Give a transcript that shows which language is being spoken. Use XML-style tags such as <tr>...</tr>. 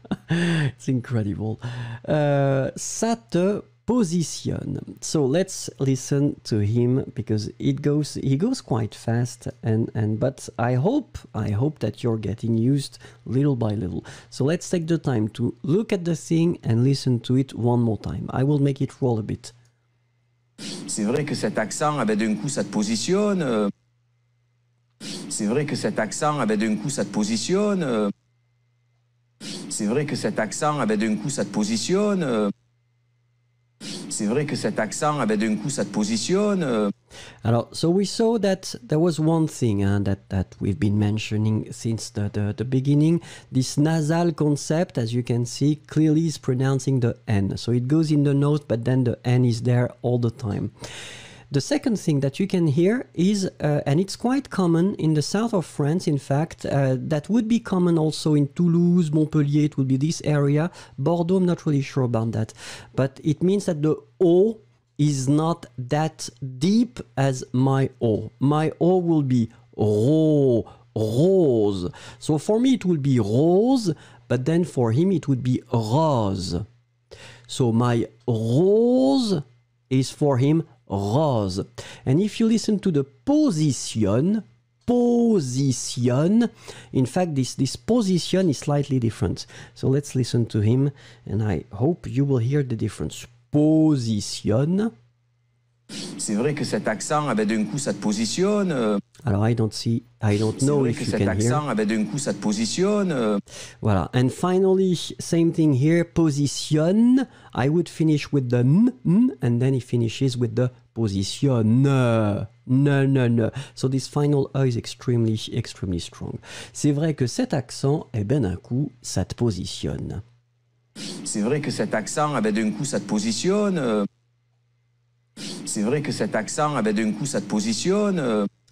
<en>It's incredible.</en> <fr>Ça te positionne.</fr> <en>So let's listen to him because he goes quite fast and but I hope that you're getting used little by little. So let's take the time to look at the thing and listen to it one more time. I will make it roll a bit.</en> <fr>C'est vrai que cet accent avait d'un coup ça te positionne. C'est vrai que cet accent avait d'un coup ça te positionne. C'est vrai que cet accent, eh ben, d'un coup, ça te positionne. C'est vrai que cet accent, eh ben, d'un coup, ça te positionne.</fr> <en>Alors, so we saw that there was one thing that we've been mentioning since the beginning. This nasal concept, as you can see, clearly is pronouncing the N. So it goes in the nose, but then the N is there all the time. The second thing that you can hear is, and it's quite common in the south of France, in fact, that would be common also in Toulouse, Montpellier, it would be this area. Bordeaux, I'm not really sure about that. But it means that the O is not that deep as my O. My O will be ro, rose. So for me, it would be rose, but then for him, it would be rose. So my rose is for him rose. And if you listen to the position, position, in fact, this position is slightly different. So let's listen to him, and I hope you will hear the difference.</en> <fr>Position. C'est vrai que cet accent, eh ben, d'un coup, ça te positionne.</fr> <en>Alors, I don't know if you can hear.</en> <fr>C'est vrai que cet accent, eh ben, d'un coup, ça te positionne.</fr> <en>Voilà. And finally, same thing here, position. I would finish with the n, n, and then he finishes with the positionne. Ne, ne, ne. So this final E is extremely, extremely strong.</en> <fr>C'est vrai que cet accent, eh ben, d'un coup, ça te positionne. C'est vrai que cet accent, eh ben, d'un coup, ça te positionne. C'est vrai que cet accent, eh ben, d'un coup, ça te positionne.</fr>